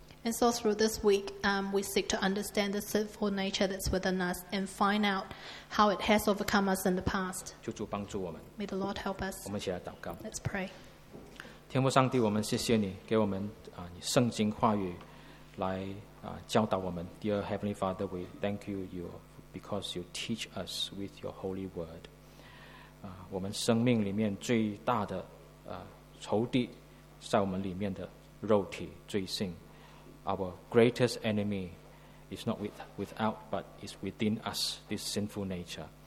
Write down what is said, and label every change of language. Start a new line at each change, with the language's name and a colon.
English: And so through this week, we seek to understand the sinful nature that's within us and find out how it has overcome us in the past.
Chinese: 求主帮助我们。
English: May the Lord help us.
Chinese: 我们一起来祷告。
English: Let's pray.
Chinese: 天父上帝，我们谢谢你给我们你圣经话语来教导我们。
English: Dear Heavenly Father, we thank you, because you teach us with your Holy Word.
Chinese: 我们生命里面最大的仇敌。在我们里面的肉体罪性,
English: our greatest enemy is not without, but is within us, this sinful nature.